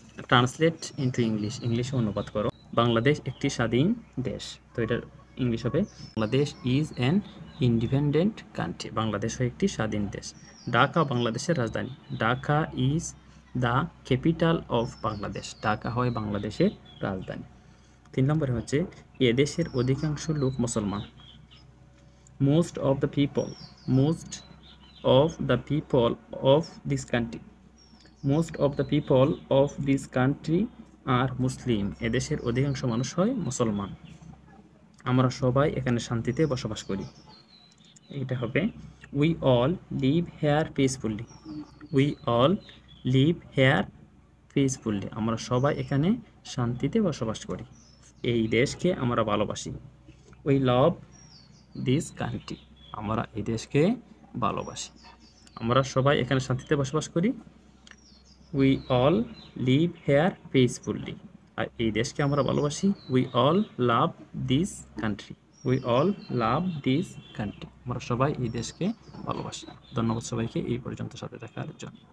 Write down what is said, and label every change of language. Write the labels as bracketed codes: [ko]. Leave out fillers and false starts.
[bn] Translate into English, ইংলিশে অনুবাদ করো, বাংলাদেশ একটি স্বাধীন দেশ, তো এটার ইংলিশ হবে [en] Bangladesh is an independent country, [bn] Bangladesh হয় একটি স্বাধীন দেশ। ঢাকা বাংলাদেশের রাজধানী, [en] Dhaka is the capital of Bangladesh, [bn] Dhaka হয় বাংলাদেশের রাজধানী। তিন নম্বরে হচ্ছে এদেশের অধিকাংশ লোক মুসলমান, [en] most of the people, most of the people of this country, most of the people of this country are Muslim. [bn] এদেশের অধিকাংশ মানুষ হয় মুসলমান। আমরা সবাই এখানে শান্তিতে বসবাস করি। এটা হবে, [en] we all live here peacefully. We all live here peacefully. [bn] আমরা সবাই এখানে শান্তিতে বসবাস করি। এই দেশকে আমরা ভালোবাসি। [en] We love this country. [bn] আমরা এই দেশকে ভালোবাসি। আমরা সবাই এখানে শান্তিতে বসবাস করি। [en] We all live here peacefully. [bn] আর এই দেশকে আমরা ভালোবাসি। [en] We all love this country. We all love this country. [bn] আমরা সবাই এই দেশকে ভালোবাসি। ধন্যবাদ সবাইকে এই পর্যন্ত সাথে থাকার জন্য।